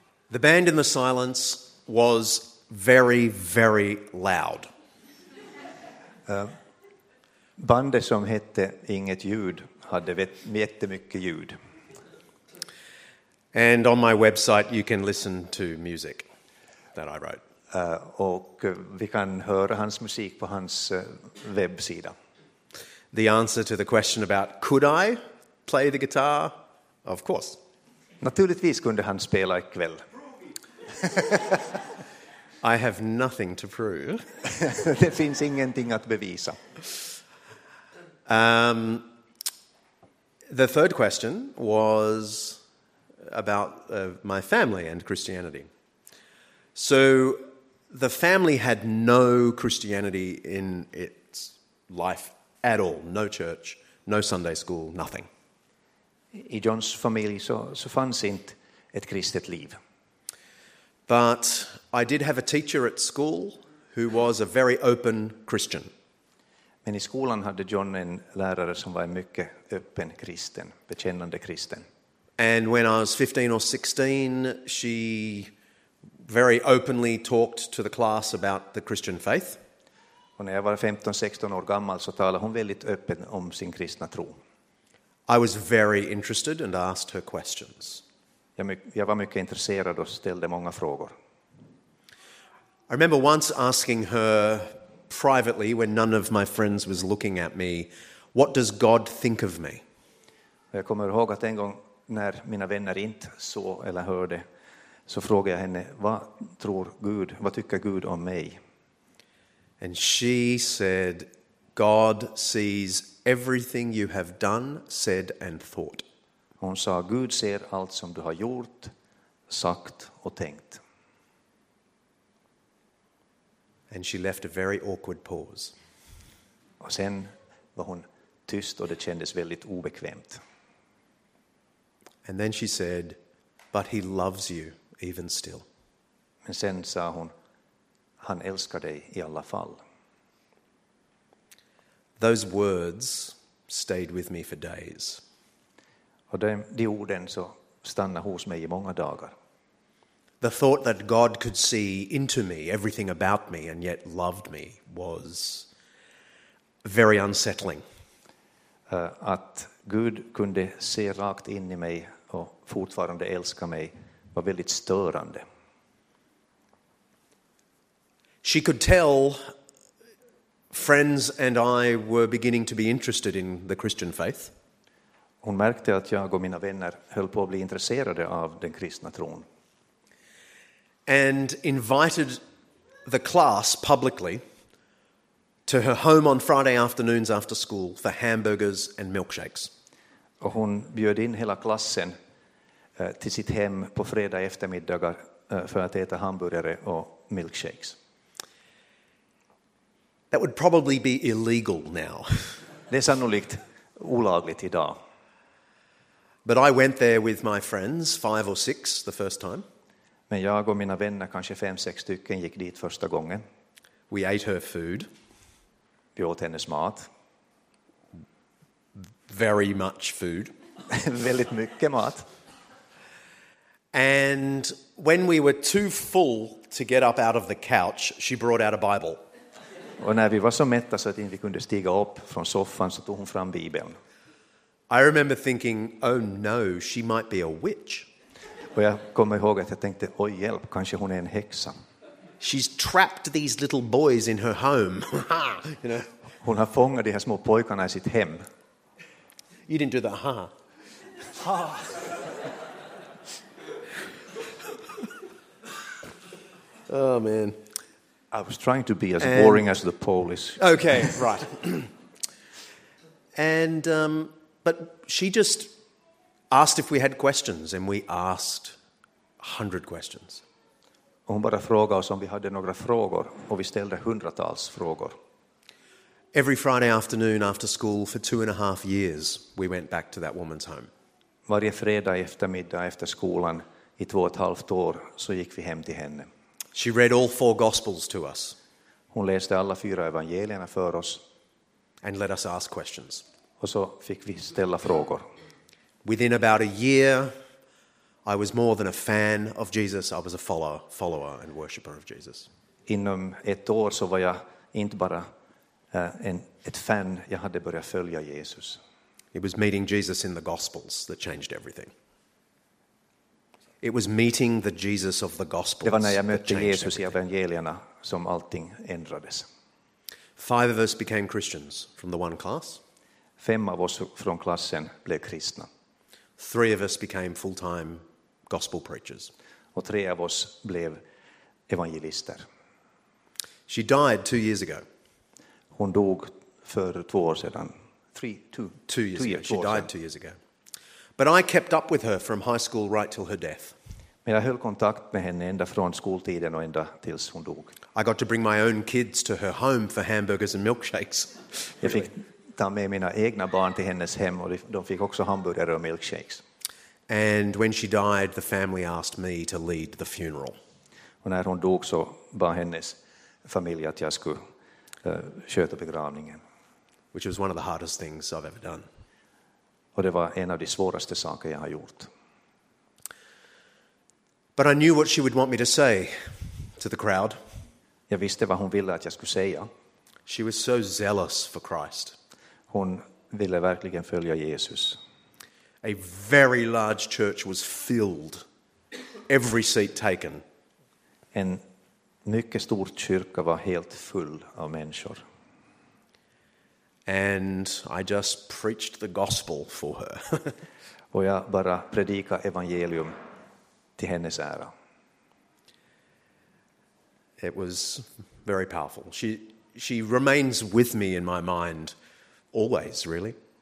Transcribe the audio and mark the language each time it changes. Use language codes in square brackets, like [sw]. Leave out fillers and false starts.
[en] The band In the Silence was very, very loud. [sv] Bandet som hette Inget Ljud hade jättemycket ljud. [en] And on my website you can listen to music that I wrote. [sv] Och vi kan höra hans musik på hans webbsida. [en] The answer to the question about could I play the guitar? Of course. [sv] Naturligtvis kunde han spela ikväll. [en] I have nothing to prove. [sv] Det finns ingenting att bevisa. [en] The third question was about my family and Christianity. So the family had no Christianity in its life at all. No church, no Sunday school, nothing. [sv] I Johns familj så fanns inte ett kristet liv. [en] But I did have a teacher at school who was a very open Christian. [sv] Men i skolan hade John en lärare som var mycket öppen kristen, bekännande kristen. [en] And when I was 15 or 16, she very openly talked to the class about the Christian faith. [sv] Och när jag var 15-16 år gammal så talade hon väldigt öppen om sin kristna tro. [en] I was very interested and asked her questions. [sv] Jag var mycket intresserad och ställde många frågor. [en] I remember once asking her privately, when none of my friends was looking at me, what does God think of me? [sv] Jag kommer ihåg att en gång när mina vänner inte så eller hörde, så frågade jag henne, vad tror Gud, vad tycker Gud om mig? [en] And she said, God sees everything you have done, said and thought. [sv] Hon sa, Gud ser allt som du har gjort, sagt och tänkt. [en] And she left a very awkward pause. [sv] Och sen var hon tyst och det kändes väldigt obekvämt. [en] And then she said, but he loves you even still. [sv] Men sen sa hon, han älskar dig i alla fall. [en] Those words stayed with me for days. [sv] Och de orden så stannade hos mig i många dagar. [en] The thought that God could see into me, everything about me, and yet loved me was very unsettling. [sv] Att Gud kunde se rakt in i mig och fortfarande älska mig var väldigt störande. [en] She could tell friends and I were beginning to be interested in the Christian faith. [sv] Hon märkte att jag och mina vänner höll på att bli intresserade av den kristna tron. [en] And invited the class publicly to her home on Friday afternoons after school for hamburgers and milkshakes. [sv] Och hon bjöd in hela klassen till sitt hem på fredag eftermiddagar för att äta hamburgare och milkshakes. [en] That would probably be illegal now. [sv] Det är sannolikt olagligt idag. [en] But I went there with my friends, 5 or 6 the first time. [sv] Men jag och mina vänner, kanske 5-6 stycken, gick dit första gången. [en] We ate her food. [sv] Vi åt hennes mat. [en] Very much food. [sv] Väldigt mycket mat. [en] And when we were too full to get up out of the couch, she brought out a Bible. [sv] Och när vi var så mätta så att vi kunde stiga upp från soffan så tog hon fram Bibeln. [en] I remember thinking, oh no, she might be a witch. [sv] Och jag kommer ihåg att jag tänkte, oj hjälp, kanske hon är en häxa. [en] She's trapped these little boys in her home. You know? [sv] Hon har fångat de här små pojkarna i sitt hem. [en] You didn't do that, ha. Huh? Oh man. I was trying to be as boring as the Polish. Okay, right. And but she just asked if we had questions, and we asked 100 questions. [sv] Hon bara frågade oss om vi hade några frågor, och vi ställde hundratals frågor. [en] Every Friday afternoon after school for 2.5 years, we went back to that woman's home. [sv] Varje fredag eftermiddag efter skolan i 2.5 år så gick vi hem till henne. [en] She read all 4 gospels to us. [sv] Hon läste alla 4 evangelierna för oss. [en] And let us ask questions. [sv] Och så fick vi ställa frågor. [en] Within about a year, I was more than a fan of Jesus. I was a follower and worshipper of Jesus. [sv] Inom ett år så var jag inte bara ett fan. Jag hade börjat följa Jesus. [en] It was meeting Jesus in the gospels that changed everything. It was meeting the Jesus of the gospels. [sv] Det var när jag mötte Jesus i evangelierna som allting ändrades. [en] 5 of us became Christians from the one class. [sv] 5 av oss från klassen blev kristna. [en] 3 of us became full-time gospel preachers. [sv] Och 3 av oss blev evangelister. [en] She died 2 years ago. [sv] Hon dog för 2 år sedan. [en] 2 years ago. But I kept up with her from high school right till her death. [sv] Men jag höll kontakt med henne ända från skoltiden och ända tills hon dog. [en] I got to bring my own kids to her home for hamburgers and milkshakes. [sv] Jag fick ta med mina egna barn till hennes hem och de fick också hamburgare och milkshakes. [en] And when she died, the family asked me to lead the funeral. [sv] Och när hon dog så bad hennes familj att jag skulle sköta begravningen. [en] Which was one of the hardest things I've ever done. [sv] Och det var en av de svåraste saker jag har gjort. [en] But I knew what she would want me to say to the crowd. [sv] Jag visste vad hon ville att jag skulle säga. [en] She was so zealous for Christ. [sv] Hon ville verkligen följa Jesus. [en] A very large church was filled. Every seat taken. [sv] En mycket stor kyrka var helt full av människor. [en] And I just preached the gospel for her. [sv] Och jag bara predika evangelium till hennes ära. [en] It was very powerful. She remains with me in my mind always, really.